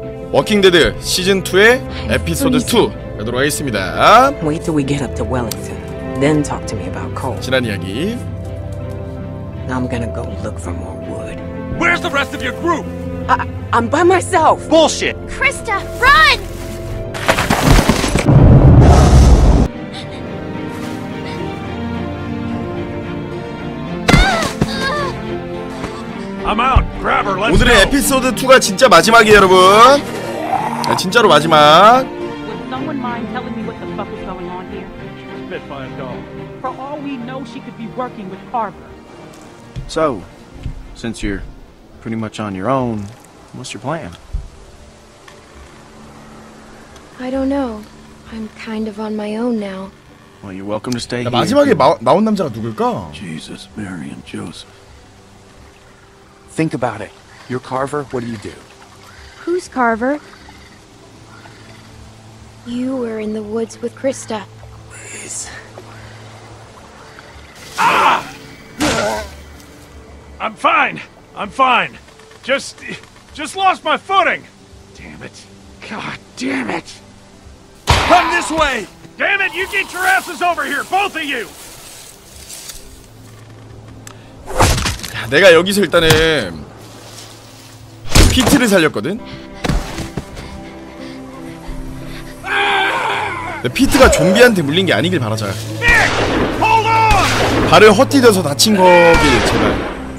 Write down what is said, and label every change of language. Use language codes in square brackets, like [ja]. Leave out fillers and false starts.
[ko] 워킹 데드 시즌 2의 에피소드 2 가도록 하겠습니다. [en] Wait till we get up to Wellington. Then talk to me about coal. [ko] 지난 이야기. [en] Now I'm gonna go look for more wood. Where's the rest of your group? I'm by myself. Bullshit. Krista, run! I'm out. Grab her. Let's go. [ko] 오늘의 에피소드 2가 진짜 마지막이에요, 여러분. 네, 진짜로 마지막. [en] Would someone mind telling me what the fuck is going on here? She's bit by a dog. For all we know, she could be working with Carver. So, since you're pretty much on your own, what's your plan? I don't know. I'm kind of on my own now. Well, you're welcome to stay [ko] 야, 마지막에 [en] here. [ko] 마지막에 나온 남자가 누굴까? [en] Jesus, Mary, and Joseph. Think about it. You're Carver. What do you do? Who's Carver? You were in the woods with Krista. Please. Ah! I'm fine. I'm fine. Just lost my footing. Damn it. God damn it. Come this way! Damn it, you get your asses over here, both of you! [ko] 내가 여기서 일단은 피트를 살렸거든. 피트가 좀비한테 물린 게 아니길 바라자. 발을 헛디뎌서 다친 거길 제발.